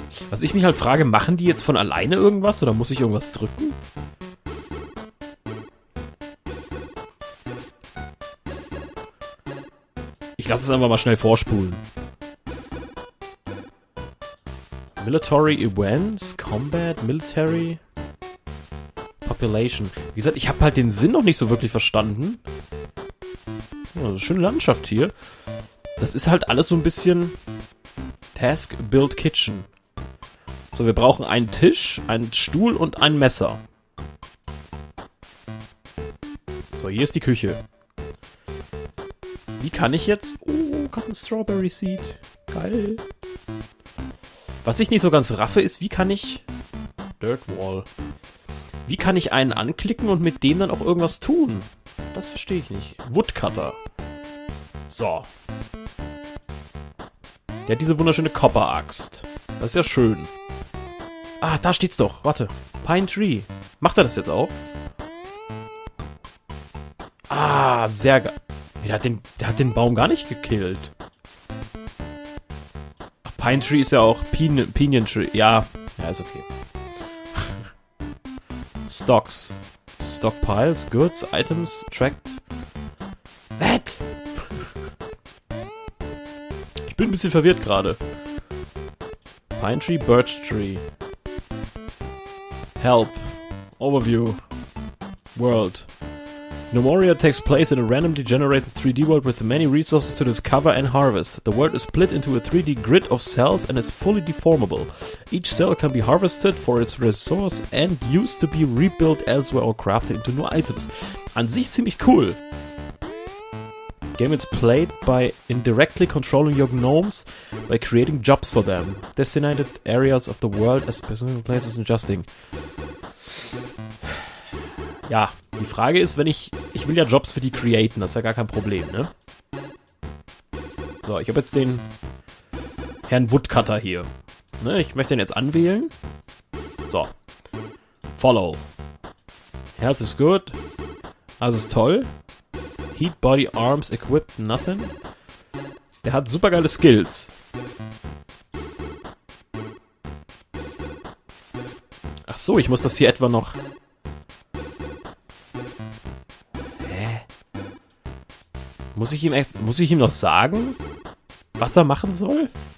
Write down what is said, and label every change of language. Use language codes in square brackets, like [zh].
[de] Was ich mich halt frage, machen die jetzt von alleine irgendwas oder muss ich irgendwas drücken? Ich lasse es einfach mal schnell vorspulen. [en] Military Events, Combat, Military, Population. [de] Wie gesagt, ich habe halt den Sinn noch nicht so wirklich verstanden. Ja, schöne Landschaft hier. Das ist halt alles so ein bisschen Task, Build, Kitchen. So, wir brauchen einen Tisch, einen Stuhl und ein Messer. So, hier ist die Küche. Wie kann ich jetzt... [en] Oh, Cotton Strawberry Seed. [de] Geil. Was ich nicht so ganz raffe, ist, wie kann ich... Dirt Wall. Wie kann ich einen anklicken und mit dem dann auch irgendwas tun? Das verstehe ich nicht. Woodcutter. So. Der hat diese wunderschöne Copper-Axt. Das ist ja schön. Ah, da steht's doch. Warte. Pine Tree. Macht er das jetzt auch? Ah, sehr geil. Der hat den Baum gar nicht gekillt. Ach, Pine Tree ist ja auch Pinion Tree. Ja, ja, ist okay. [en] Stocks. Stockpiles, Goods, Items, Tracked. What? [de] Ich bin ein bisschen verwirrt gerade. [en] Pine Tree, Birch Tree. Help. Overview. World. Numoria takes place in a randomly generated 3D world with many resources to discover and harvest. The world is split into a 3D grid of cells and is fully deformable. Each cell can be harvested for its resource and used to be rebuilt elsewhere or crafted into new items. [de] An sich ziemlich cool. [en] Game is played by indirectly controlling your gnomes by creating jobs for them. Designated areas of the world as specific places adjusting. [de] Ja, die Frage ist, wenn ich will ja Jobs für die createn, das ist ja gar kein Problem, ne? So, ich habe jetzt den Herrn Woodcutter hier. Ne, ich möchte ihn jetzt anwählen. [en] So. Follow. Health is good. [de] Also ist toll. [en] Heat, body, arms, equipped, nothing. [de] Der hat super geile Skills. Ach so, ich muss das hier etwa noch... Muss ich ihm noch sagen, was er machen soll?